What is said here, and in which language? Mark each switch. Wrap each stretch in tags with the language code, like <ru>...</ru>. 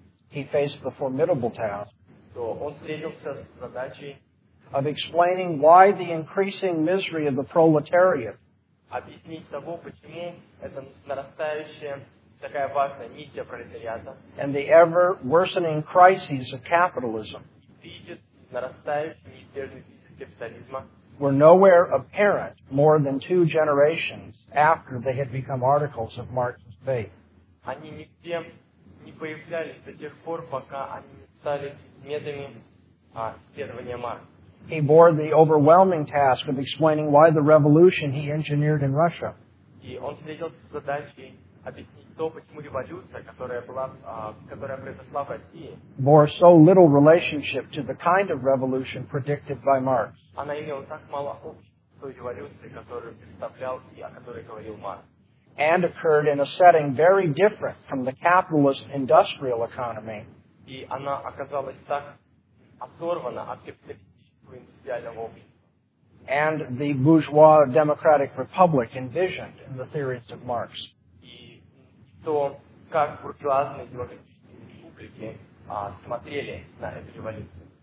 <en>he faced the formidable task.</en> <ru>То он встретился с задачей</ru> <en>of explaining why the increasing misery of the proletariat.</en> <ru>Объяснить того, почему это нарастающее такая важная миссия пролетариата.</ru> <en>And the ever worsening crises of capitalism.</en> <ru>Видит нарастающий неизбежный кризис капитализма.</ru> <en>Were nowhere apparent more than two generations after they had become articles of Marx's faith.</en> <ru>Они нигде не появлялись до тех пор, пока они не стали методами исследования Маркса.</ru> <en>He bore the overwhelming task of explaining why the revolution he engineered in Russia.</en> <ru>И он встретился с задачей объяснить то, почему революция, которая произошла в России,</ru> <en>bore so little relationship to the kind of revolution predicted by Marx.</en> <ru>Она имела так мало общего с той революцией, которую представлял и о которой говорил Маркс.</ru> <en>and occurred in a setting very different from the capitalist industrial economy.</en> <ru>И она оказалась так оторвана от капиталистического индустриального общества.</ru> <en>And the bourgeois democratic republic envisioned in the theories of Marx.</en> <ru>И то, как буржуазные демократические республики смотрели на эту революцию.</ru>